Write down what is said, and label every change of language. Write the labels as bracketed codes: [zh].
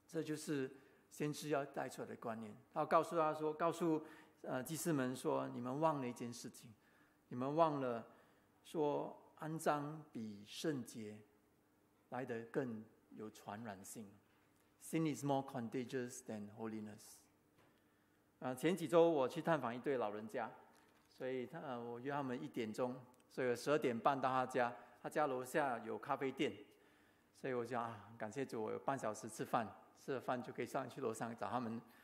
[zh] 这就是先知要带出来的观念。他告诉他说，告诉祭司们说，你们忘了一件事情，你们忘了说肮脏比圣洁来得更有传染性。 [en] Sin is more contagious than holiness。 [zh] 前几周我去探访一对老人家，所以我约他们1点钟，所以我12点半到他家，他家楼下有咖啡店，所以我就感谢主，我有半小时吃饭，吃了饭就可以上去楼上找他们。